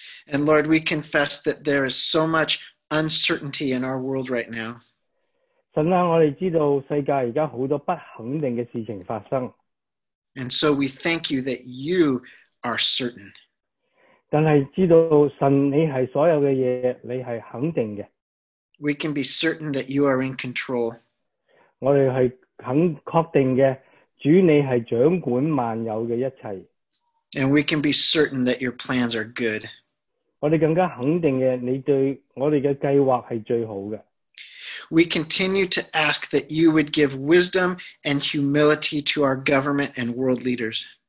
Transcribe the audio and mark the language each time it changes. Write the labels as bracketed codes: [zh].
[en] And Lord, we confess that there is so much uncertainty in our world right now. [zh] 神啊,我們知道世界現在很多不肯定的事情發生。 [en] And so we thank you that you are certain. [zh] 但是知道神你是所有的事,你是肯定的。 [en] We can be certain that you are in control. [zh] 我們是肯確定的,主你是掌管萬有的一切。 [en] And we can be certain that your plans are good. [zh] 我們更加肯定的,你對我們的計劃是最好的。 [en] We continue to ask that you would give wisdom and humility to our government and world leaders.